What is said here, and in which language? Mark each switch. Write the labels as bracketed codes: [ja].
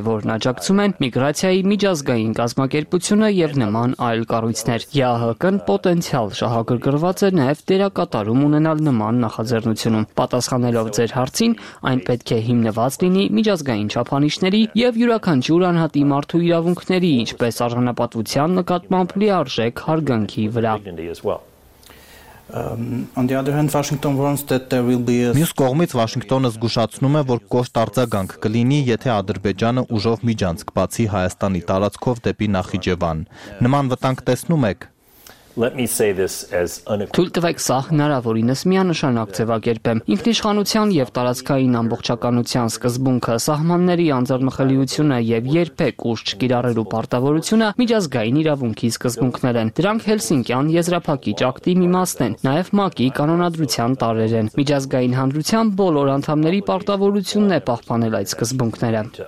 [hy] կարևորն աջակցում են միգրացիայի միջազգային կազմակերպությունը եւ նման այլ կառույցներ։ ԵԱՀԿ-ն պոտենցիալ շահագրգռված է նաեւ դերակատարում ունենալ նման նախաձեռնությունում։ Պատասխանելով ձեր հարցին, այն պետք է հիմնված լինի միջազգային չափանիշների եւ յուրաքանչյուր անհատի մարդու իրավունքների, ինչպես արժանապատվության նկատմամբ լիարժեք հարգանքի վրա։ [en] On the other hand, Washington warns that there will be [hy] a. Մյուս կողմից Վաշինգտոնը զգուշացնում է, որ կոշտ արձագանք կլինի, եթե Ադրբեջանը ուժով միջանց կբացի Հայաստանի տարածքով դեպի Նախիջևան։ Նման վտանգ տեսնում եք։ [en] Let me say this as [hy] Թույլ տվեք սա հնարավորինս միանշանակ ձևակերպեմ։ Ինքնիշխանության եւ տարածքային ամբողջականության սկզբունքը, սահմանների անձեռնմխելիությունը եւ երբեք ուժ չկիրառելու պարտավորությունը միջազգային իրավունքի սկզբունքներ են։ Դրանք Հելսինկյան եզրափակիչ ակտի մի մասն են, նաեւ ՄԱԿ-ի կանոնադրության տարրեր են։ Միջազգային հանրության բոլոր անդամների պարտավորությունն է պահպանել այդ սկզբունքները։